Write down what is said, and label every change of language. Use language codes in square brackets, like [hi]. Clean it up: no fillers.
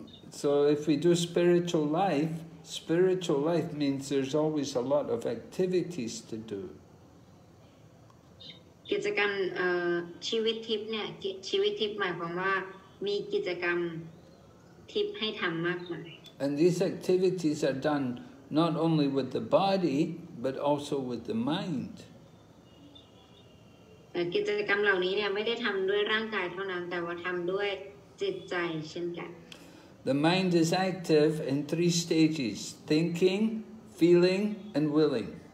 [en] So if we do spiritual life means there's always a lot of activities to do. [th] กิจกรรมชีวิตทิพย์เนี่ยชีวิตทิพย์หมายความว่ามีกิจกรรมทิพย์ให้ทำมากมาย [en] And these activities are done not only with the body but also with the mind. [th] กิจกรรมเหล่านี้เนี่ยไม่ได้ทำด้วยร่างกายเท่านั้นแต่ว่าทำด้วยจิตใจเช่นกัน [en] The mind is active in three stages, thinking, feeling, and willing.